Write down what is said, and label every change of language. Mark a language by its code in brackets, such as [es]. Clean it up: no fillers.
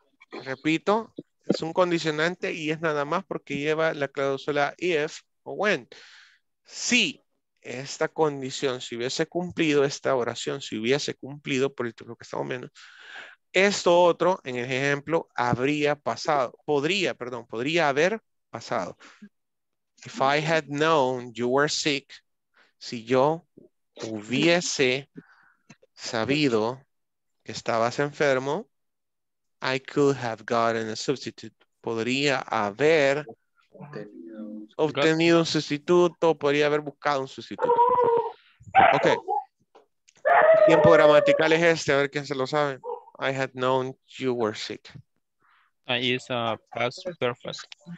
[es] Repito, es un condicionante y es nada más porque lleva la cláusula if o when. Si esta condición se hubiese cumplido, esta oración se hubiese cumplido por el tiempo que estamos viendo, esto otro, en el ejemplo, habría pasado, podría, perdón, podría haber pasado. [en] If I had known you were sick, [es] si yo hubiese sabido que estabas enfermo, [en] I could have gotten a substitute. [es] Podría haber obtenido un sustituto, podría haber buscado un sustituto. Ok. El tiempo gramatical es este, a ver quién se lo sabe. [en] I had known you were sick. It's a past perfect.